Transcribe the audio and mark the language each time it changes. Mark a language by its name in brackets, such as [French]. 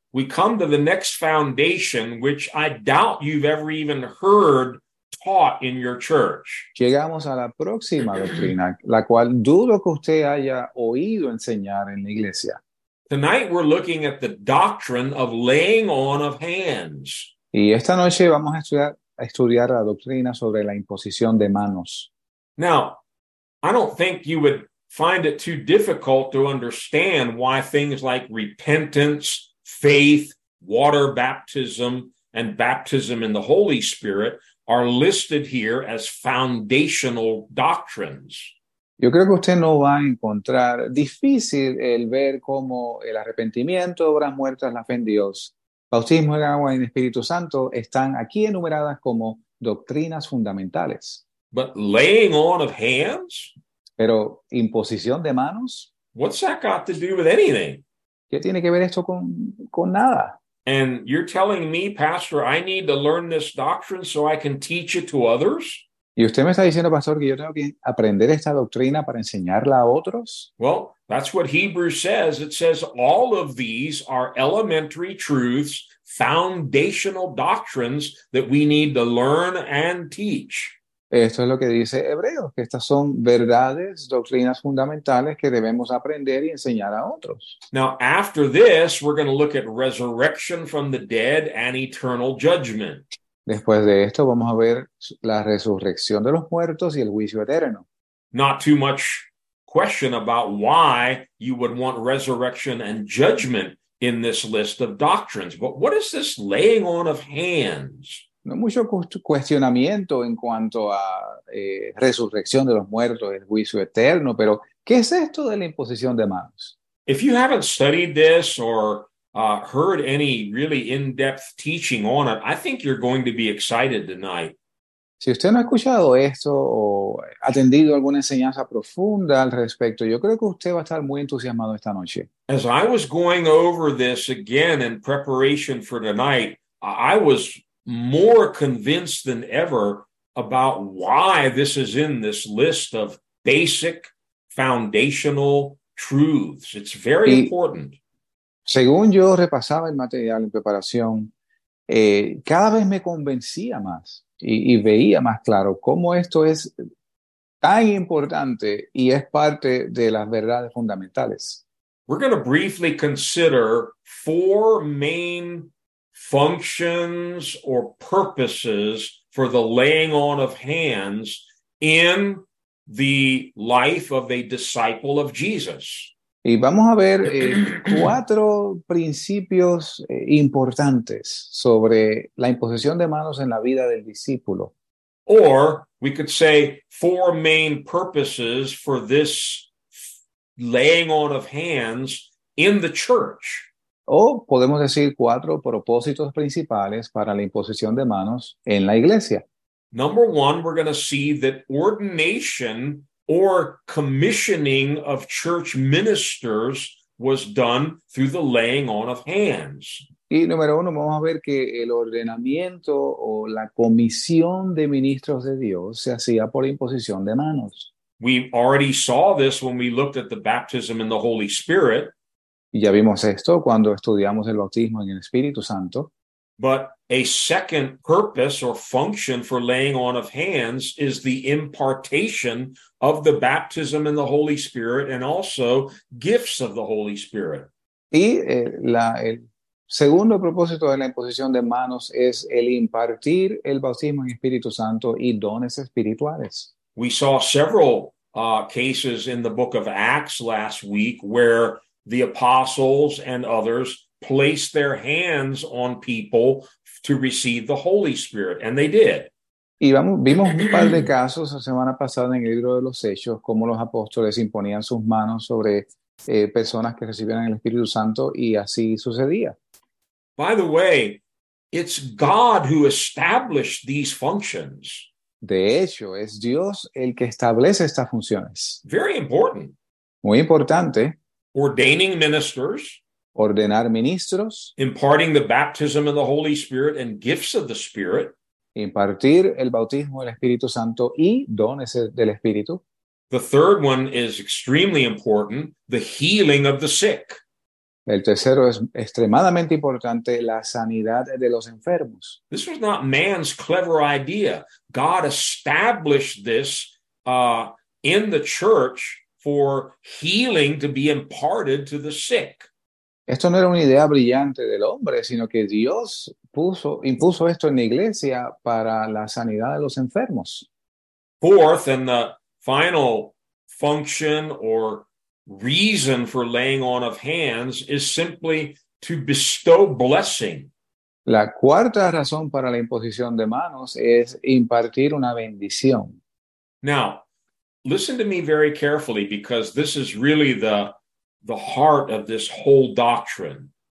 [English] we come to the next foundation, which I doubt you've ever even heard taught in your church. [Spanish] Llegamos a la próxima doctrina, la cual dudo que usted haya oído enseñar en la iglesia. [English] Tonight we're looking at the doctrine of laying on of hands. [Spanish] Y esta noche vamos a estudiar la doctrina sobre la imposición de manos. [English] Now, I don't think you would find it too difficult to understand why things like repentance, faith, water baptism, and baptism in the Holy Spirit are listed here as foundational doctrines. [Spanish] Yo creo que usted no va a encontrar difícil el ver cómo el arrepentimiento, obras muertas, la fe en Dios, bautismo en agua y en Espíritu Santo están aquí enumeradas como doctrinas fundamentales. [English] But laying on of hands? [Spanish] Pero imposición de manos? [English] What's that got to do with anything? [Spanish] ¿Qué tiene que ver esto con nada? [English] And you're telling me, Pastor, I need to learn this doctrine so I can teach it to others? [Spanish] ¿Y usted me está diciendo, Pastor, que yo tengo que aprender esta doctrina para enseñarla a otros? [English] Well, that's what Hebrews says. It says all of these are elementary truths, foundational doctrines that we need to learn and teach. [Spanish] Esto es lo que dice Hebreos, que estas son verdades, doctrinas fundamentales que debemos aprender y enseñar a otros. [English] Now, after this, we're going to look at resurrection from the dead and eternal judgment. [Spanish] Después de esto, vamos a ver la resurrección de los muertos y el juicio eterno. [English] Not too much question about why you would want resurrection and judgment in this list of doctrines. But what is this laying on of hands? [Spanish] No mucho cuestionamiento en cuanto a resurrección de los muertos, el juicio eterno, pero ¿qué es esto de la imposición de manos? [English] If you haven't studied this or heard any really in-depth teaching on it, I think you're going to be excited tonight. [Spanish] Si usted no ha escuchado esto o ha atendido alguna enseñanza profunda al respecto, yo creo que usted va a estar muy entusiasmado esta noche. [English] As I was going over this again in preparation for tonight, I was more convinced than ever about why this is in this list of basic foundational truths. It's very important. [Spanish] Según yo repasaba el material en preparación, cada vez me convencía más y veía más claro cómo esto es tan importante y es parte de las verdades fundamentales. [English] We're going to briefly consider four main functions or purposes for the laying on of hands in the life of a disciple of Jesus. [Spanish] Y vamos a ver cuatro principios importantes sobre la imposición de manos en la vida del discípulo. [English] Or we could say four main purposes for this laying on of hands in the church. [Spanish] O podemos decir cuatro propósitos principales para la imposición de manos en la iglesia. [English] Number one, we're going to see that ordination or commissioning of church ministers was done through the laying on of hands. [Spanish] Y número uno, vamos a ver que el ordenamiento o la comisión de ministros de Dios se hacía por imposición de manos. [English] We already saw this when we looked at the baptism in the Holy Spirit. [Spanish] Y ya vimos esto cuando estudiamos el bautismo en el Espíritu Santo. [English] But a second purpose or function for laying on of hands is the impartation of the baptism in the Holy Spirit and also gifts of the Holy Spirit. [Spanish] Y el segundo propósito de la imposición de manos es el impartir el bautismo en Espíritu Santo y dones espirituales. [English] We saw several cases in the book of Acts last week where the apostles and others placed their hands on people to receive the Holy Spirit, and they did. [Spanish] Y vimos un par de casos la semana pasada en el libro de los Hechos, cómo los apóstoles imponían sus manos sobre personas que recibieran el Espíritu Santo, y así sucedía. [English] By the way, it's God who established these functions. [Spanish] De hecho, es Dios el que establece estas funciones. [English] Very important. [Spanish] Muy importante. [English] Ordaining ministers. [Spanish] Ordenar ministros. [English] Imparting the baptism of the Holy Spirit and gifts of the Spirit. [Spanish] Impartir el bautismo del Espíritu Santo y dones del Espíritu. [English] The third one is extremely important, the healing of the sick. [Spanish] El tercero es extremadamente importante, la sanidad de los enfermos. [English] This was not man's clever idea. God established this in the church for healing to be imparted to the sick. [Spanish] Esto no era una idea brillante del hombre, sino que Dios impuso esto en la iglesia para la sanidad de los enfermos. [English] Fourth, and the final function or reason for laying on of hands is simply to bestow blessing. [Spanish] La cuarta razón para la imposición de manos es impartir una bendición. [English] Now, listen to me very carefully because this is really the heart of this whole doctrine.